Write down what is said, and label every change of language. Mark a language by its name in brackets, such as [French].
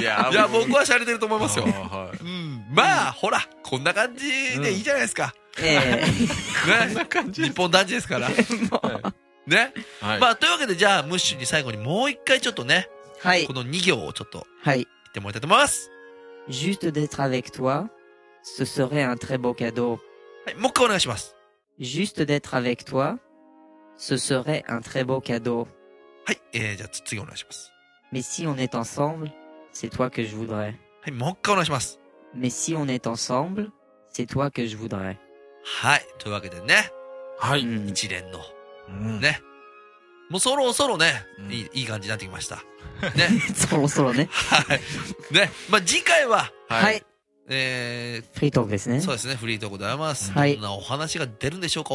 [Japanese] いや、僕は洒落てると思いますよ。まあ、ほら、こんな感じでいいじゃないですか。こんな感じ。日本男子ですから。ね、はい、まあというわけでじゃあムッシュに最後にもう一回ちょっとね、はい、この2行をちょっと言ってもらいたいと思います。 [French] Juste d'être avec toi, ce serait un très beau cadeau. [Japanese] はい、もう一回お願いします。 [French] Juste d'être avec toi, ce serait un très beau cadeau. [Japanese] はい、じゃあ次お願いします。 [French] Mais si on est ensemble, c'est toi que je voudrais. [Japanese] はい、もう一回お願いします。 [French] Mais si on est ensemble, c'est toi que je voudrais. [Japanese] はい、というわけでね、はい、一連の。ね。もうそろそろね、いい感じになってきました。ね。そろそろね。はい。ね。まあ、次回は、はい。フリートークですね。そうですね、フリートークでございます。はい。どんなお話が出るんでしょうか。